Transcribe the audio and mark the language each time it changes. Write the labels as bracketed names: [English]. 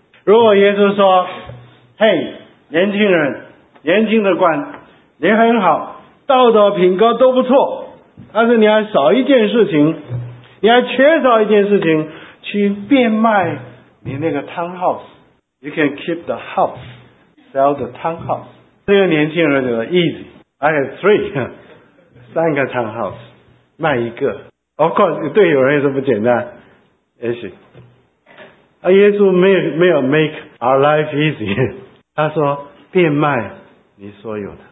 [Chinese] 如果耶稣说：“嘿，年轻人，年轻的官，你很好，道德品格都不错，但是你还少一件事情，你还缺少一件事情，去变卖你那个 townhouse。 [English] You can keep the house, sell the townhouse。” [Chinese] 这个年轻人就说 ： [English] “Easy, I have three， [Chinese] 三个 townhouse， 卖一个。 ” [English] Of course， [Chinese] 对有人也是不简单。也许耶稣没有 [English] make our life easy， [Chinese] 他说变卖你所有的。